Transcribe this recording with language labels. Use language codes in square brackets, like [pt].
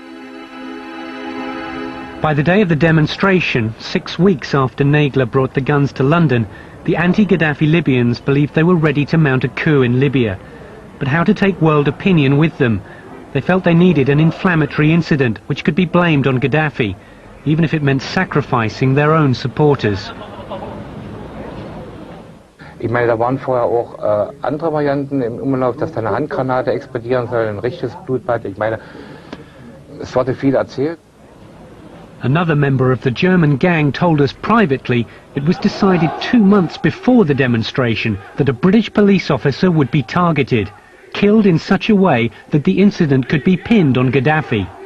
[en] By the day of the demonstration, 6 weeks after Nagler brought the guns to London, the anti-Gaddafi Libyans believed they were ready to mount a coup in Libya. But how to take world opinion with them? They felt they needed an inflammatory incident which could be blamed on Gaddafi, even if it meant sacrificing their own supporters. [de] Ich meine, da waren vorher auch andere Varianten im Umlauf, dass eine Handgranate explodieren soll, ein richtiges Blutbad. Ich meine, es wurde viel erzählt. [en] Another member of the German gang told us privately it was decided 2 months before the demonstration that a British police officer would be targeted. Killed in such a way that the incident could be pinned on Gaddafi.